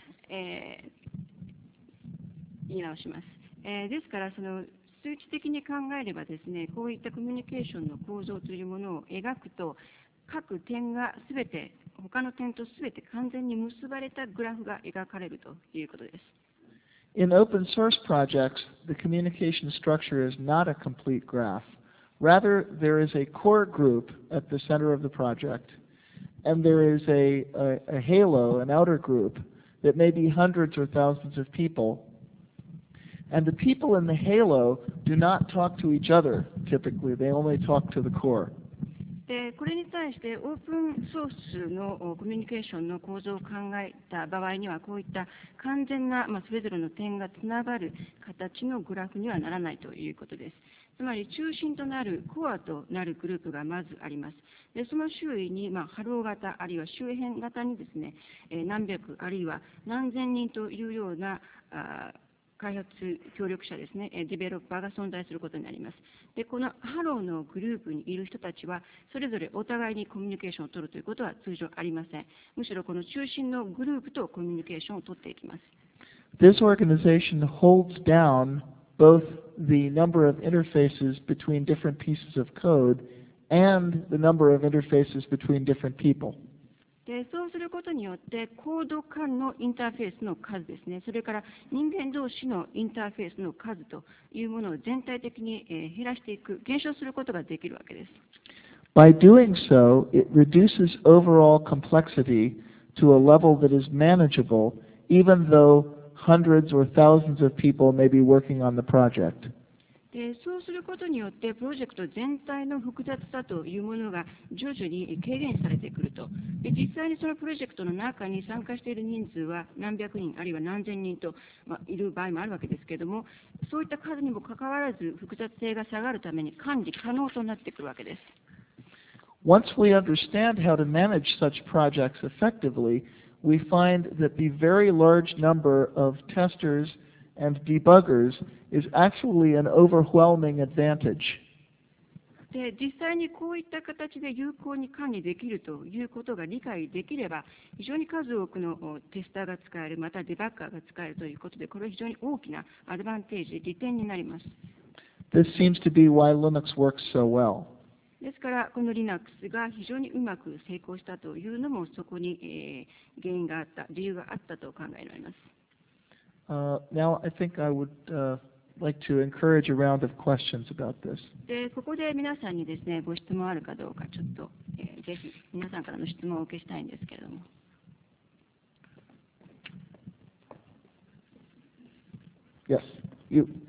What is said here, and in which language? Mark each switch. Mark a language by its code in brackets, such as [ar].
[ja] 言い直します、ですからその数値的に考えればですね、こういったコミュニケーションの構造というものを描くと、各点がすべて他の点とすべて完全に結ばれたグラフが描かれるということです。 [en] In open source projects, the communication structure is not a complete graph. Rather, there is a core group at the center of the project, and there is a halo, an outer groupThat may be hundreds or thousands of people. And the people in the halo do not talk to each other, typically. They only talk to the core. [ja] で、これに対して、オープンソースのコミュニケーションの構造を考えた場合には、こういった完全な、まあ、それぞれの点がつながる形のグラフにはならないということです。つまり、中心となるコアとなるグループがまずあります。でその周囲に、まあ、ハロー型、あるいは周辺型にですね、何百、あるいは何千人というような開発協力者ですね、ディベロッパーが存在することになります。でこのハローのグループにいる人たちは、それぞれお互いにコミュニケーションを取るということは通常ありません。むしろこの中心のグループとコミュニケーションを取っていきます。 [en] This organization holds down both the number of interfaces between different pieces of code and the number of interfaces between different people. [ja] でそうすることによって、コード間のインターフェースの数ですね、それから人間同士のインターフェースの数というものを全体的に減らしていく、減少することができるわけです。 [en] By doing so, it reduces overall complexity to a level that is manageable, even though hundreds or thousands of people may be working on the project. [ja] そうすることによって、プロジェクト全体の複雑さというものが徐々に軽減されてくると、で実際にそのプロジェクトの中に参加している人数は何百人、あるいは何千人と、まあ、いる場合もあるわけですけれども、そういった数にもかかわらず、複雑性が下がるために管理可能となってくるわけです。 [en] Once we understand how to manage such projects effectively, we find that the very large number of testers and debuggers. Is actually an overwhelming advantage. [ja] で実際にこういった形で有効に管理できるということが理解できれば、非常に数多くのテスターが使える、またデバッカーが使えるということで、これは非常に大きなアドバンテージ、利点になります。 [en] This seems to be why Linux works so well. [ja] ですから、この Linux が非常にうまく成功したというのも、そこに、原因があった、理由があったと考えられます。 [en] Now, I think I would like to encourage a round of questions about this. [ja] で、ここで皆さんにですね、ご質問あるかどうか、ちょっと、ぜひ皆さんからの質問をお受けしたいんですけれども。 [en] Yes, you.